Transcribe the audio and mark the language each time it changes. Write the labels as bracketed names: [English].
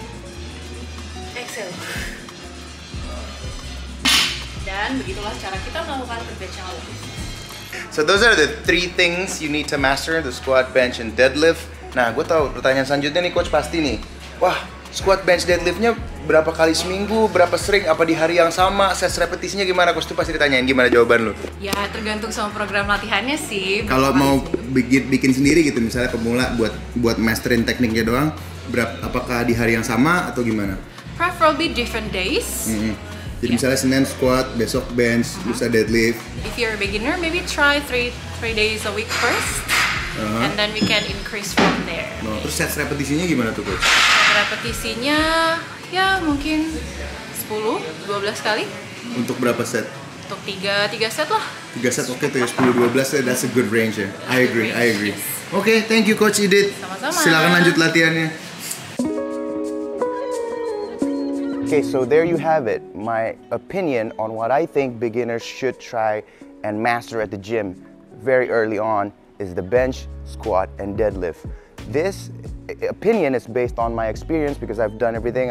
[English] Inhale, exhale. [Indonesian] Dan begitulah cara kita melakukan kebiasaan lalu. [English] So those are the three things you need to master, the squat, bench, and deadlift. [Indonesian] Nah, gue tahu pertanyaan selanjutnya nih coach pasti nih. Wah, squat, bench, deadliftnya berapa kali seminggu, berapa sering, apa di hari yang sama, ses repetisinya gimana? Coach tuh pasti ditanyain, gimana jawaban lu? Ya, tergantung sama program latihannya sih. Kalau mau bikin sendiri gitu, misalnya pemula buat masterin tekniknya doang, apakah di hari yang sama atau gimana? [English] Preferably different days. Mm-hmm. [Indonesian] Jadi misalnya Senin squat, besok bench, lusa deadlift. [English] If you're a beginner, maybe try 3 days a week first. Uh-huh. And then we can increase from there. [Indonesian] No. Terus set repetisinya gimana tuh, coach? Set repetisinya ya mungkin 10, 12 kali. Untuk berapa set? untuk 3 set lah. 3 set oke tuh ya, 10-12 set, [English] that's a good range [Indonesian] ya. [English] I agree. Yes. Oke, thank you Coach Edit. [Indonesian] Sama-sama. Silakan lanjut latihannya. [English] Okay, so there you have it, my opinion on what I think beginners should try and master at the gym very early on is the bench, squat, and deadlift. This opinion is based on my experience because I've done everything.